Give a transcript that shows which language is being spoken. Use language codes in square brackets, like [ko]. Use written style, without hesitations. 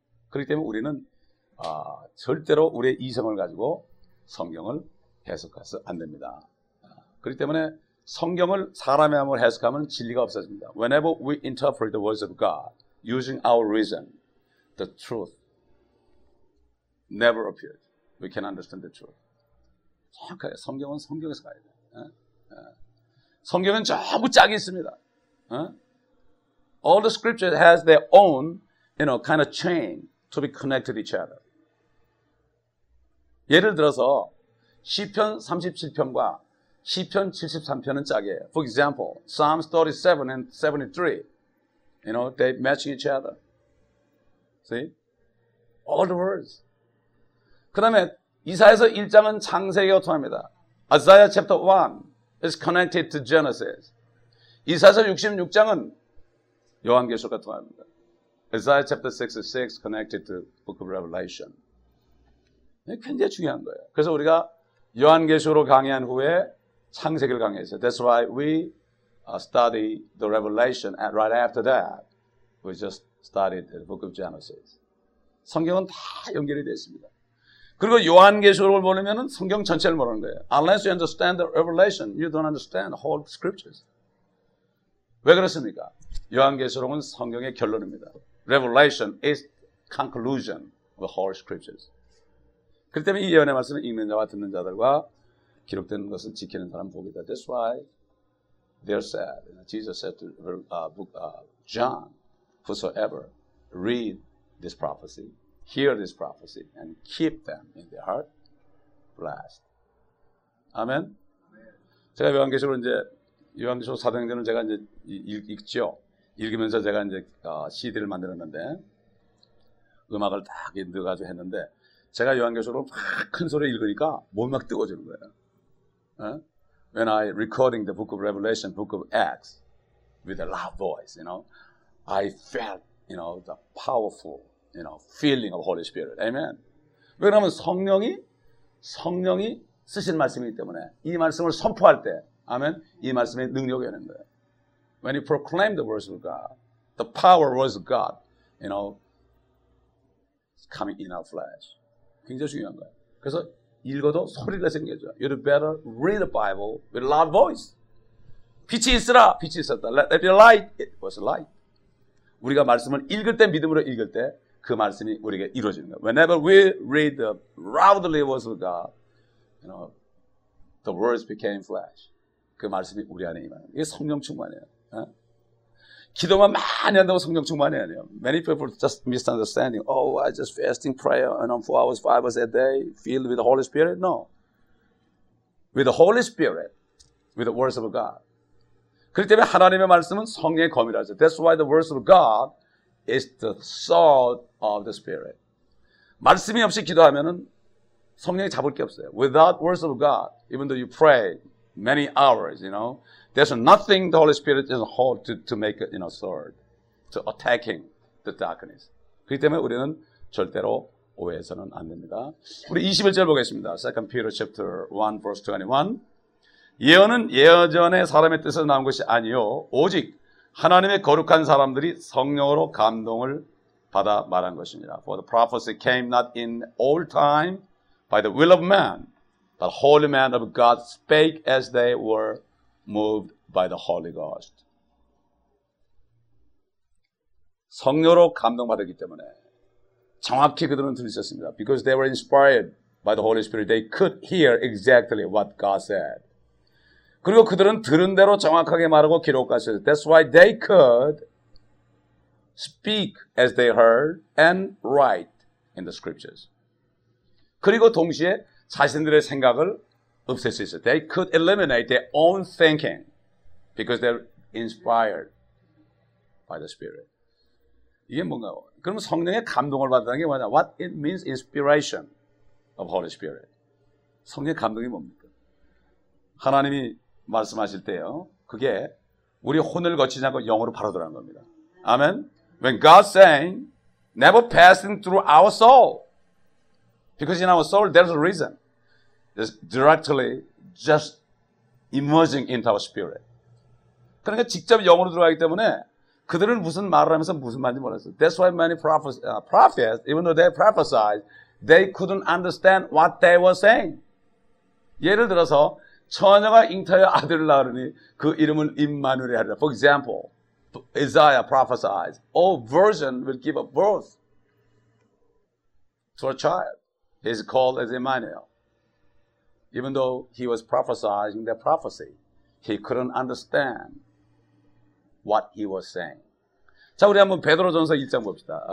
[ko] 그렇기 때문에 우리는 절대로 우리의 이성을 가지고 성경을 해석해서 안 됩니다. 그렇기 때문에 성경을 사람의 마음으로 해석하면 진리가 없어집니다. [en] Whenever we interpret the words of God using our reason, the truth never appears. We can understand the truth. [ko] 정확하게 성경은 성경에서 가야 돼. 성경은 전부 짝이 있습니다. [en] All the scriptures has their own, you know, kind of chain to be connected to each other. [ko] 예를 들어서 시편 37편과 시편 73편은 짝이에요. [en] For example, Psalms 37 and 73, you know, they match each other. See? All the words. [ko] 그 다음에 이사야서 1장은 창세기와 통합니다. [en] Isaiah chapter 1 is connected to Genesis. [ko] 이사야서 66장은 요한계시록과 통합니다. [en] Isaiah chapter 66 connected to Book of Revelation. [ko] 굉장히 중요한 거예요. 그래서 우리가 요한계시록으로 강의한 후에 창세기를 강의했어요. [en] That's why we study the Revelation and right after that we just studied the Book of Genesis. [ko] 성경은 다 연결이 되어 있습니다. 그리고 요한계시록을 모르면은 성경 전체를 모르는 거예요. [en] Unless you understand the Revelation, you don't understand the whole scriptures. [ko] 왜 그렇습니까? 요한계시록은 성경의 결론입니다. [en] Revelation is conclusion of the whole scriptures. [ko] 그렇기 때문에 이 예언의 말씀은 읽는 자와 듣는 자들과 기록된 것을 지키는 사람 보기다. [en] That's why they're sad. Jesus said to John, whosoever read this prophecy, hear this prophecy, and keep them in their heart, blessed. Amen. [ko] 제가 요한계시록 이제 요한계시록 사도행전을 제가 이제 읽죠. 읽으면서 제가 이제 CD를 만들었는데 음악을 딱 넣어가지고 했는데 제가 요한계시록을 막 큰 소리로 읽으니까 몸이 막 뜨거워지는 거예요. [en] When I recording the book of Revelation, book of Acts, with a loud voice, you know, I felt, you know, the powerful, you know, feeling of Holy Spirit. Amen. [ko] 왜냐하면 성령이 쓰신 말씀이기 때문에 이 말씀을 선포할 때, 아멘, 이 말씀의 능력이 있는 거예요. [en] When you proclaim the words of God, the power of words of God, you know, coming in our flesh. [ko] 굉장히 중요한 거예요. 그래서 읽어도 소리가 생겨져. [en] You'd better read the Bible with a loud voice. [ko] 빛이 있으라. 빛이 있었다. [en] Let there be light. It was light. [ko] 우리가 말씀을 읽을 때, 믿음으로 읽을 때 그 말씀이 우리에게 이루어지는 거예요. [en] Whenever we read the loudly words of God, you know, the words became flesh. [ko] 그 말씀이 우리 안에 임하는 거예요. 이게 성령 충만이에요. 기도만 많이 한다고 성령 충만이 아니에요. [en] Many people just misunderstanding. Oh, I just fasting prayer and I'm 4 hours, 5 hours a day filled with the Holy Spirit. No. With the Holy Spirit. With the words of God. [ko] 그렇기 때문에 하나님의 말씀은 성령의 검이라죠. [en] That's why the words of God is the sword of the Spirit. [ko] 말씀이 없이 기도하면은 성령이 잡을 게 없어요. [en] Without words of God, even though you pray many hours, you know, there's nothing the Holy Spirit is hold to make a, you know, sword to attacking the darkness. [ko] 그렇기 때문에 우리는 절대로 오해해서는 안 됩니다. 우리 21절 보겠습니다. [en] 2 Peter chapter 1 verse 21. [ko] 예언은 예언전에 사람의 뜻에서 나온 것이 아니요 오직 하나님의 거룩한 사람들이 성령으로 감동을 받아 말한 것입니다. [en] For the prophecy came not in old time by the will of man, but holy men of God spake as they were moved by the Holy Ghost. [ko] 성령으로 감동받았기 때문에 정확히 그들은 들으셨습니다. [en] Because they were inspired by the Holy Spirit, they could hear exactly what God said. [ko] 그리고 그들은 들은 대로 정확하게 말하고 기록하셨어요. [en] That's why they could speak as they heard and write in the scriptures. [ko] 그리고 동시에 자신들의 생각을 없앨 수 있어요. [en] They could eliminate their own thinking because they're inspired by the Spirit. [ko] 이게 뭔가요? 그럼 성령의 감동을 받았다는 게 뭐냐? [en] What it means inspiration of Holy Spirit. [ko] 성령의 감동이 뭡니까? 하나님이 말씀하실 때요. 그게 우리 혼을 거치지 않고 영으로 바로 들어간 겁니다. 아멘. [en] When God saying, never passing through our soul. Because in our soul, there's a reason. It's directly just emerging into our spirit. [ko] 그러니까 직접 영으로 들어가기 때문에 그들은 무슨 말을 하면서 무슨 말인지 몰랐어요. [en] That's why many prophets, even though they prophesied, they couldn't understand what they were saying. [ko] 예를 들어서 처녀가 잉태하여 아들을 낳으니 그 이름은 임마누엘이 하리라. [en] For example, Isaiah prophesies, "O virgin will give a birth to a child. He is called as Emmanuel." Even though he was prophesying that prophecy, he couldn't understand what he was saying. [ko] 자, 우리 한번 베드로전서 1장 봅시다.